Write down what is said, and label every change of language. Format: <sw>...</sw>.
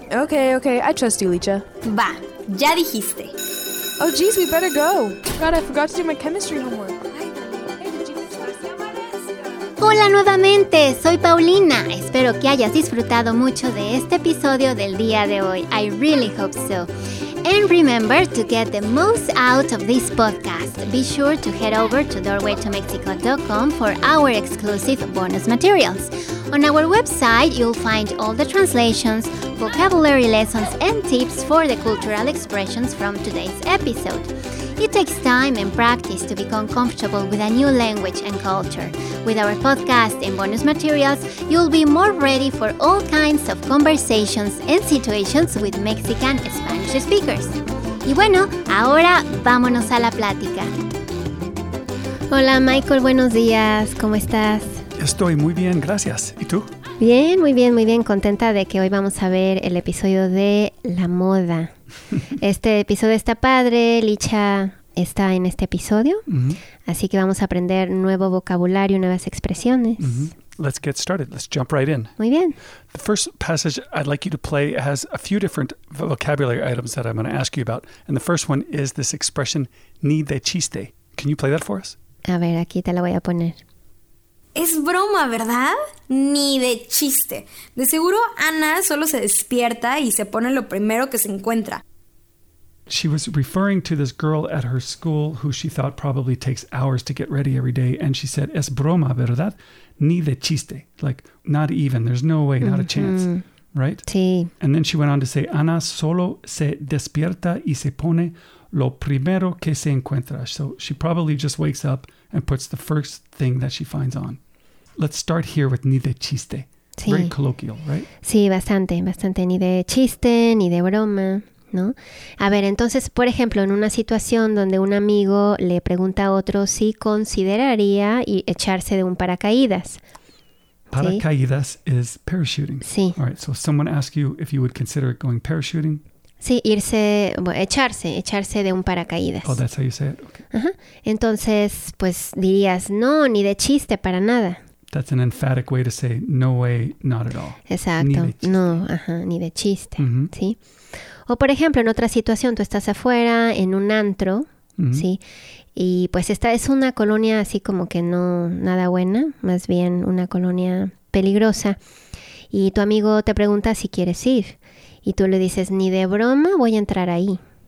<en>Ok, I trust you, Licha.</en> <es>Va, ya dijiste.</es> <en>Oh, jeez, we better go. God, I forgot to do my chemistry homework.</en> <es>Hola nuevamente, soy Paulina. Espero que hayas disfrutado mucho de este episodio del día de hoy.</es> <en>I really hope so. And remember to get the most out of this podcast. Be sure to head over to doorwaytomexico.com for our exclusive bonus materials. On our website, you'll find all the translations, vocabulary lessons, and tips for the cultural expressions from today's episode. It takes time and practice to become comfortable with a new language and culture. With our podcast and bonus materials, you'll be more ready for all kinds of conversations and situations with Mexican Spanish speakers.</en> <es>Y bueno, ahora vámonos a la plática. Hola, Michael, buenos días. ¿Cómo estás? Estoy muy bien, gracias. ¿Y tú? Bien, muy bien, muy bien. Contenta de que hoy vamos a ver el episodio de la moda. Este episodio está padre, Licha está en este episodio, uh-huh. Así que vamos a aprender nuevo vocabulario, nuevas expresiones. Uh-huh.</es> <en>Let's get started. Let's jump right in.</en> <es>Muy bien.</es> <en>The first passage I'd like you to play has a few different vocabulary items that I'm going to ask you about. And the first one is this expression,</en> <es>ni de chiste.</es> <en>Can you play that for us?</en> <es>A ver, aquí te la voy a poner. Es broma, ¿verdad? Ni de chiste. De seguro, Ana solo se despierta y se pone lo primero que se encuentra.</es> <en>She was referring to this girl at her school who she thought probably takes hours to get ready every day. And she said,</en> <es>es broma, ¿verdad? Ni de chiste.</es> <en>Like, not even. There's no way, not a chance. Right?</en> <es>Sí.</es> <en>And then she went on to say,</en> <es>Ana solo se despierta y se pone lo primero que se encuentra.</es> <en>So she probably just wakes up and puts the first thing that she finds on. Let's start here with</en> <es>ni de chiste. Sí.</es> <en>Very colloquial, right?</en> <es>Sí, bastante, bastante. Ni de chiste, ni de broma, ¿no? A ver, entonces, por ejemplo, en una situación donde un amigo le pregunta a otro si consideraría echarse de un paracaídas. Paracaídas, ¿sí?</es> <en>Is parachuting.</en> <es>Sí.</es> <en>All right, so someone asks you if you would consider going parachuting.</en> <es>Sí, irse, bueno, echarse de un paracaídas.</es> <en>Oh, that's how you say it. Okay.</en> <es>Ajá. Entonces, pues dirías, no, ni de chiste, para nada.</es> <en>That's an emphatic way to say, no way, not at all.</en> <es>Exacto. Ni de chiste. No, ajá, ni de chiste. Mm-hmm. Sí. O, por ejemplo, en otra situación, tú estás afuera en un antro, mm-hmm. ¿sí? Y pues esta es una colonia así como que no nada buena, más bien una colonia peligrosa. Y tu amigo te pregunta si quieres ir. Y tú le dices, ni de broma, voy a entrar ahí.</es>